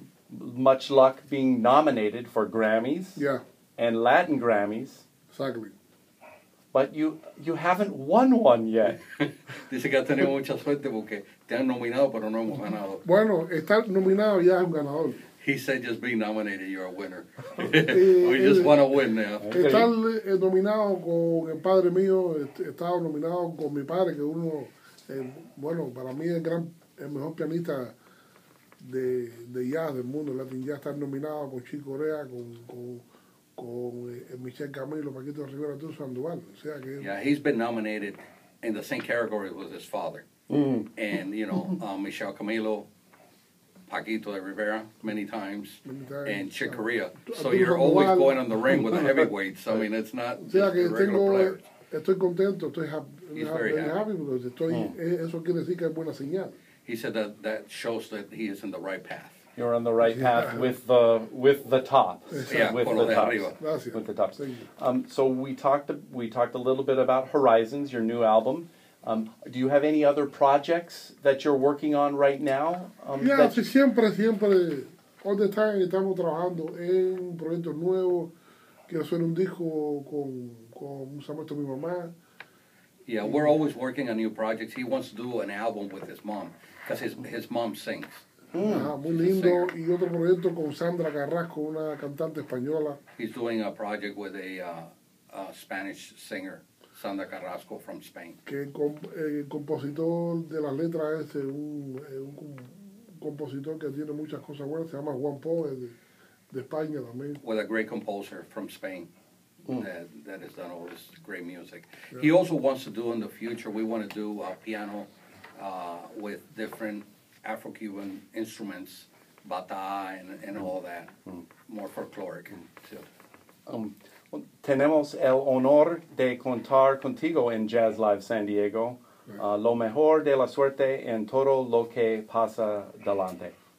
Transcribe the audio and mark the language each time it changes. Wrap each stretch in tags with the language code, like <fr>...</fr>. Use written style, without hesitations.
<en>much luck being nominated for Grammys and Latin Grammys. Exactly. But you haven't won one yet.</en> <es>Dice que has tenido mucha suerte porque te han nominado, pero no hemos ganado. Bueno, estar nominado ya es un ganador.</es> <en>He said just being nominated, you're a winner. We just want to win now.</en> <es>Estar nominado con el padre mío, estaba nominado con mi padre, que uno, bueno, para mí el mejor pianista de jazz del mundo, Latin Jazz, está nominado con Chico Corea, con Michel Camilo, Paquito Rivera, todo Sandoval. O sea que</es> <en>he's been nominated in the same category with his father. Mm. And, you know, Michel Camilo, Paquito de Rivera, many times. And Chico Corea. So you're always going on the ring with a heavyweight. So, I mean, it's not</en> <es>o sea que</es> <en>just the regular player.</en> <es>Estoy contento, estoy</es> <en>happy because</en> <es>estoy, eso quiere decir que es buena señal.</es> <en>He said that shows that he is in the right path. You're on the right path with the top. Yeah, with the top. With the top. So we talked a little bit about Horizons, your new album. Do you have any other projects that you're working on right now?</en> <es>Siempre,</es> <en>all the time</en> <es>estamos trabajando en proyectos nuevos. Quiero hacer un disco con mi mamá.</es> <en>Yeah, we're always working on new projects. He wants to do an album with his mom. Because his mom sings.</en> <es>Muy lindo. Y otro proyecto con Sandra Carrasco, una cantante española.</es> <en>He's doing a project with a Spanish singer, Sandra Carrasco from Spain.</en> <es>Que el compositor de las letras es un compositor que tiene muchas cosas buenas. Se llama Juan Poe, de España también.</es> <en>With a great composer from Spain. That has done all this great music. Yeah. He also wants to do in the future, we want to do a piano with different Afro-Cuban instruments, bata and all that, more folkloric. Mm. So.</en> <es>Tenemos el honor de contar contigo en Jazz Live San Diego. Lo mejor de la suerte en todo lo que pasa delante.</es>